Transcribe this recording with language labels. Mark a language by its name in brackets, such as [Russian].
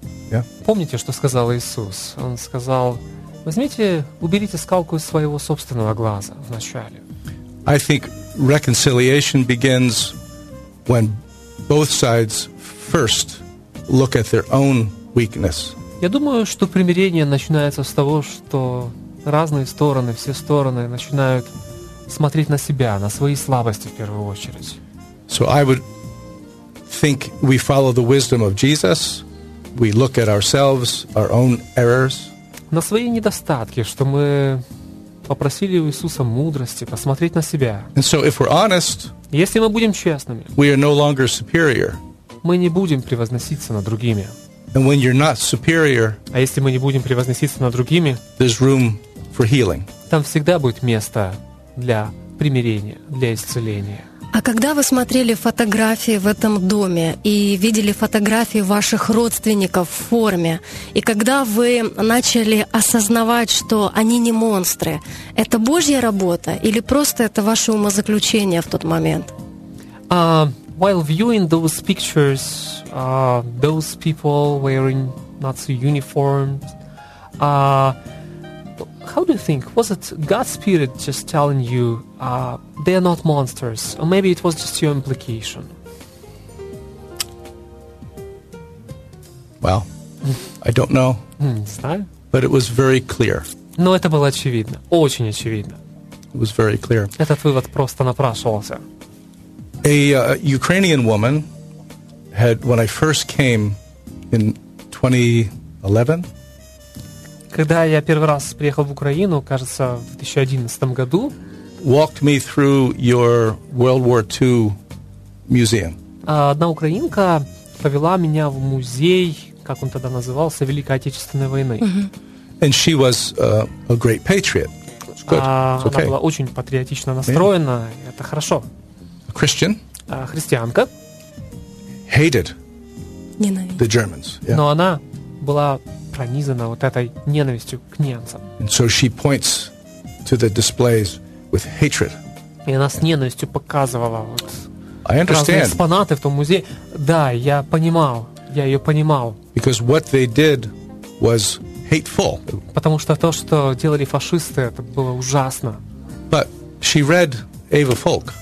[English] Yeah. [Russian] Помните, что сказал Иисус? Он сказал: возьмите, уберите скалку из своего собственного глаза вначале. [English] I think reconciliation begins when both sides first look at their own weakness. [Russian] Я думаю, что примирение начинается с того, что разные стороны, все стороны начинают смотреть на себя, на свои слабости в первую очередь. [English] So I would think we follow the wisdom of Jesus, we look at ourselves, our own errors. [Russian] На свои недостатки, что мы попросили у Иисуса мудрости посмотреть на себя. [English] And so if we're honest, [Russian] если мы будем честными, [English] we are no longer superior. [Russian] Мы не будем превозноситься над другими. [English] And when you're not superior, [Russian] а если мы не будем превозноситься над другими, [English] there's room for healing. [Russian] Там всегда будет место для примирения, для исцеления. А когда вы смотрели фотографии в этом доме и видели фотографии ваших родственников в форме, и когда вы начали осознавать, что они не монстры, это Божья работа или просто это ваше умозаключение в тот момент? [English] While viewing those pictures, those people wearing Nazi uniforms, how do you think? Was it God's spirit just telling you they are not monsters? Or maybe it was just your implication? Well, I don't know. [Russian] Не знаю. [English] But it was very clear. [Russian] Но это было очевидно. Очень очевидно. [English] It was very clear. [Russian] Этот вывод просто напрашивался. [English] A Ukrainian woman had, when I first came in 2011... [Russian] Когда я первый раз приехал в Украину, кажется, в 2011 году, [English] walked me through your World War II museum. [Russian] Одна украинка повела меня в музей, как он тогда назывался, Великой Отечественной войны. [English] And she was a great patriot. Good. [Russian] Она была очень патриотично настроена, это хорошо. [English] A Christian. [Russian] Христианка. [English] Hated. [Russian] Ненавидела. [English] The Germans. Yeah. [Russian] Но она была пронизана вот этой ненавистью к немцам. [English] And so she points to the displays with hatred. [Russian] И она с ненавистью показывала вот [English] I understand. [Russian] Разные экспонаты в том музее. Да, я понимал. Я ее понимал. [English] Because what they did was hateful. [Russian] Потому что то, что делали фашисты, это было ужасно. [English] But she read Ava Folk.